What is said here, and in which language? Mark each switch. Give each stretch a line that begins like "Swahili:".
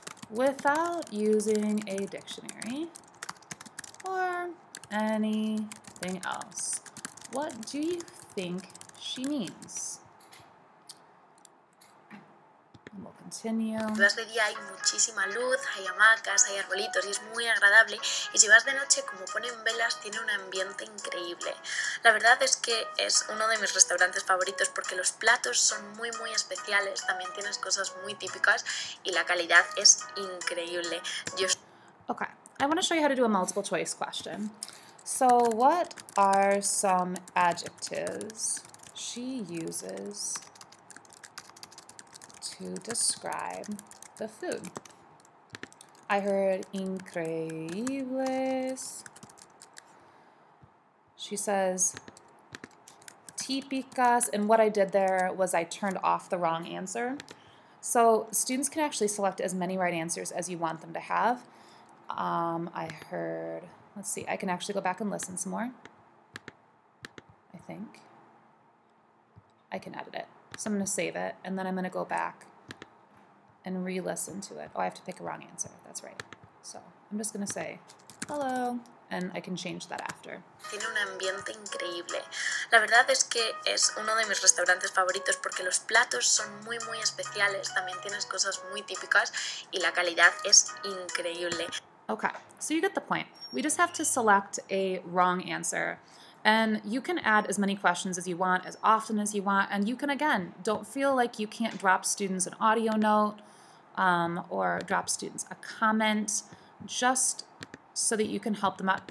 English: Without using a dictionary or anything else, what do you think she means? We'll continue.
Spanish: Si vas de día hay muchísima luz, hay hamacas, hay arbolitos y es muy agradable. Y si vas de noche, como ponen velas, tiene un ambiente increíble. La verdad es que es uno de mis restaurantes favoritos porque los platos son muy, muy especiales. También tienes cosas muy típicas y la calidad es increíble. Yo...
English: Okay, I want to show you how to do a multiple choice question. So, what are some adjectives she uses to describe the food? I heard increíbles. She says típicas, and what I did there was I turned off the wrong answer. So students can actually select as many right answers as you want them to have. I heard, let's see, I can actually go back and listen some more. I think I can edit it. So I'm gonna save it and then I'm gonna go back and re-listen to it. Oh, I have to pick a wrong answer. That's right. So I'm just gonna say hello, and I can change that after.
Spanish: Tiene un ambiente increíble. La verdad es que es uno de mis restaurantes favoritos porque los platos son muy muy especiales. También tienes cosas muy típicas y la calidad es increíble.
English: Okay, so you get the point. We just have to select a wrong answer. And you can add as many questions as you want, as often as you want, and you can, again, don't feel like you can't drop students an audio note or drop students a comment just so that you can help them out.